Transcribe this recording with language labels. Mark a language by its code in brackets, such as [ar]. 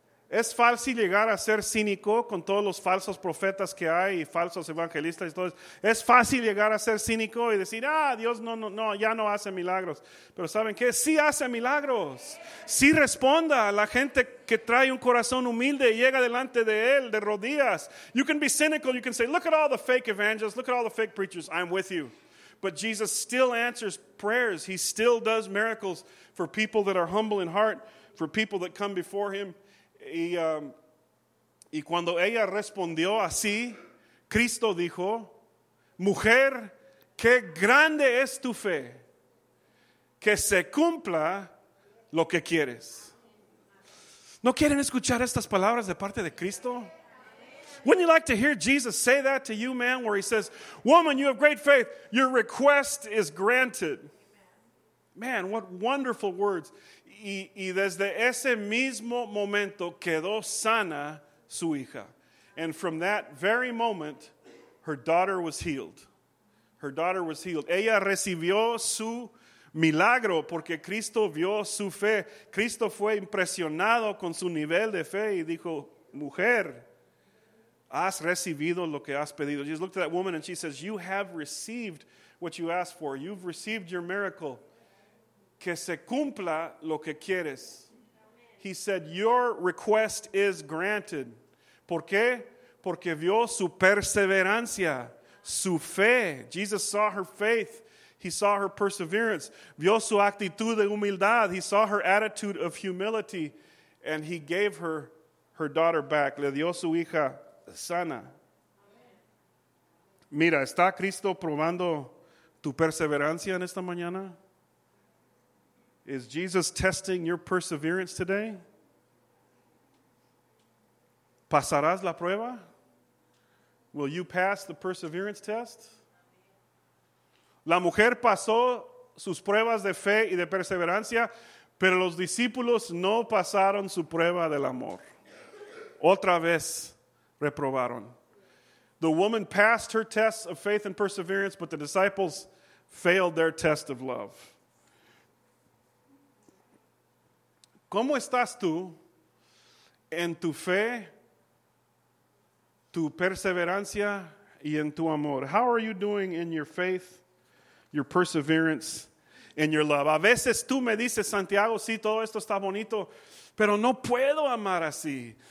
[es] Es fácil llegar a ser cínico con todos los falsos profetas que hay y falsos evangelistas. Entonces, es fácil llegar a ser cínico y decir, ah, Dios no, ya no hace milagros. Pero ¿saben qué? Sí hace milagros. Sí responda a la gente que trae un corazón humilde y llega delante de él de rodillas. [en] You can be cynical. You can say, look at all the fake evangelists. Look at all the fake preachers. I'm with you. But Jesus still answers prayers. He still does miracles for people that are humble in heart, for people that come before him. [es] Y cuando ella respondió así, Cristo dijo, mujer, qué grande es tu fe, que se cumpla lo que quieres. ¿No quieren escuchar estas palabras de parte de Cristo? [en] Wouldn't you like to hear Jesus say that to you, man, where he says, woman, you have great faith, your request is granted. Man, what wonderful words. [es] Y desde ese mismo momento quedó sana su hija. [en] And from that very moment, her daughter was healed. Her daughter was healed. [es] Ella recibió su milagro porque Cristo vio su fe. Cristo fue impresionado con su nivel de fe y dijo, mujer, has recibido lo que has pedido. [en] Jesus looked at that woman and she says, you have received what you asked for. You've received your miracle. [es] Que se cumpla lo que quieres. [en] He said, your request is granted. [es] ¿Por qué? Porque vio su perseverancia, su fe. [en] Jesus saw her faith. He saw her perseverance. [es] Vio su actitud de humildad. [en] He saw her attitude of humility. And he gave her her daughter back. [es] Le dio su hija sana. Mira, ¿está Cristo probando tu perseverancia en esta mañana? [en] Is Jesus testing your perseverance today? [es] ¿Pasarás la prueba? [en] Will you pass the perseverance test? [es] La mujer pasó sus pruebas de fe y de perseverancia, pero los discípulos no pasaron su prueba del amor. Otra vez reprobaron. [en] The woman passed her tests of faith and perseverance, but the disciples failed their test of love. [es] ¿Cómo estás tú en tu fe, tu perseverancia y en tu amor? [en] How are you doing in your faith, your perseverance, and your love? [es] A veces tú me dices, Santiago, sí, todo esto está bonito, pero no puedo amar así.